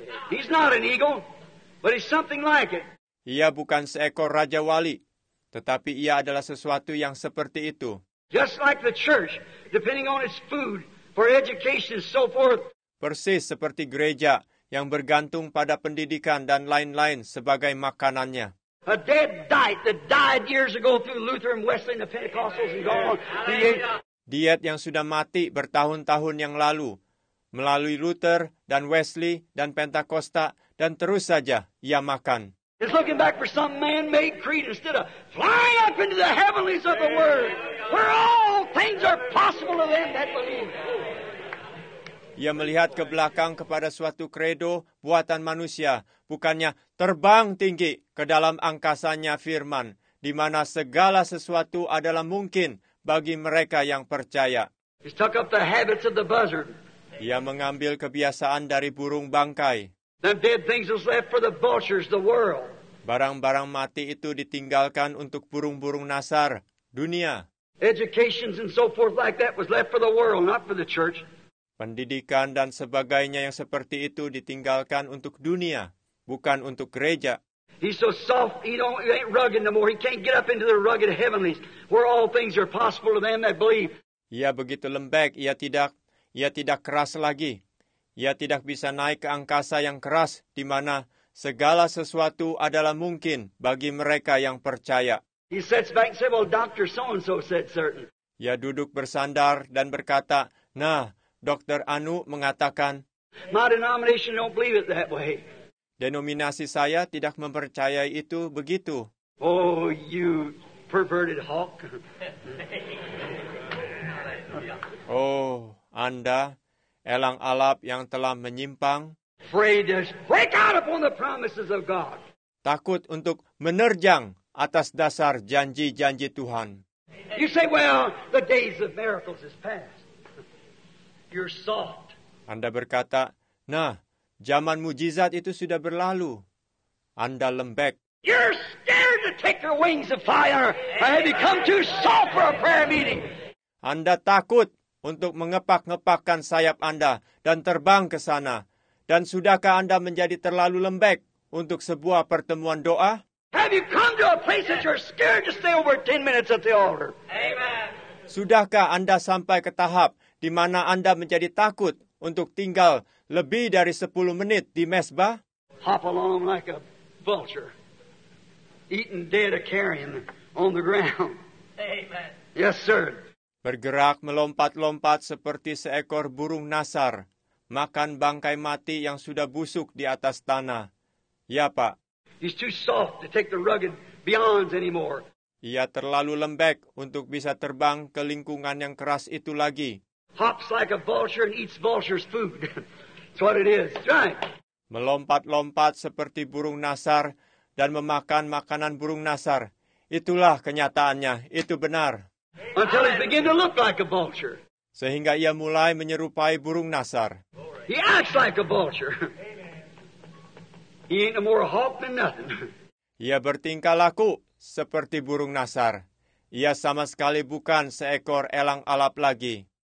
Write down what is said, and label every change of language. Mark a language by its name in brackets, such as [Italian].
[English] He's not an eagle, but he's something like it. [Indonesian] Ia bukan seekor raja wali, tetapi ia adalah sesuatu yang seperti itu. [English] Just like the church, depending on its food for education and so forth. [Indonesian] Persis seperti gereja yang bergantung pada pendidikan dan lain-lain sebagai makanannya. [English] A dead diet that died years ago through Lutheran, Wesleyan, the Pentecostals and gone on. [Indonesian] Diet yang sudah mati bertahun-tahun yang lalu melalui Luther dan Wesley dan Pentakosta dan terus saja ia makan. [English] He's looking back for some man-made creed instead of flying up into the heavenlies of the Word, where all things are possible to them that believe. [Indonesian] Ia melihat ke belakang kepada suatu kredo buatan manusia, bukannya terbang tinggi ke dalam angkasanya firman, di mana segala sesuatu adalah mungkin bagi mereka yang percaya. [English] He's took up the habits of the buzzard. [Indonesian] Ia mengambil kebiasaan dari burung bangkai. [English] Then dead things was left for the vultures, the world. [Indonesian] Barang-barang mati itu ditinggalkan untuk burung-burung nasar, dunia. [English] Educations and so forth like that was left for the world, not for the church. [Indonesian] Pendidikan dan sebagainya yang seperti itu ditinggalkan untuk dunia, bukan untuk gereja. [English] He's so soft, he ain't rugged no more. He can't get up into the rugged heavenlies where all things are possible to them that believe. [Indonesian] Ia begitu lembek, ia tidak keras lagi. Ia tidak bisa naik ke angkasa yang keras di mana segala sesuatu adalah mungkin bagi mereka yang percaya. [English] He sits back and says, "Well, Dr. So-and-so said certain." [Indonesian] Ia duduk bersandar dan berkata, "Nah, Dr. Anu mengatakan." [English] My denomination don't believe it that way. [Indonesian] Denominasi saya tidak mempercayai itu begitu. [English] Oh, you perverted hawk. [Indonesian] Oh, Anda, elang alap yang telah menyimpang. [English] Afraid to break out upon the promises of God. [Indonesian] Takut untuk menerjang atas dasar janji-janji Tuhan. [English] You say, "Well, the days of miracles is past. You're soft." [Indonesian] Anda berkata, "Nah, zaman mujizat itu sudah berlalu. Anda lembek." [English] You're scared to take your wings of fire. I have become too soft for a prayer meeting. [Indonesian] Anda takut untuk mengepak-ngepakkan sayap Anda dan terbang ke sana. Dan sudahkah Anda menjadi terlalu lembek untuk sebuah pertemuan doa? [English] Have you come to a place that you're scared to stay over 10 minutes at the altar? Amen. [Indonesian] Sudahkah Anda sampai ke tahap di mana Anda menjadi takut untuk tinggal lebih dari 10 menit di mesbah? [English] Hop along like a vulture, eating dead a carrion on the ground. Amen. Yes, sir. [Indonesian] Bergerak melompat-lompat seperti seekor burung nasar, makan bangkai mati yang sudah busuk di atas tanah. Ya, Pak. [English] He's too soft to take the rugged beyonds anymore. [Indonesian] Ia terlalu lembek untuk bisa terbang ke lingkungan yang keras itu lagi. [English] Hops like a vulture and eats vulture's food. That's what it is. Right. [Indonesian] Melompat-lompat seperti burung nasar dan memakan makanan burung nasar. Itulah kenyataannya. Itu benar. [English] Until he begins to look like a vulture. [Indonesian] Sehingga ia mulai menyerupai burung nasar. [English] He acts like a vulture. He ain't no more a hawk than nothing. [Indonesian] Ia bertingkah laku seperti burung nasar. Ia sama sekali bukan seekor elang alap lagi.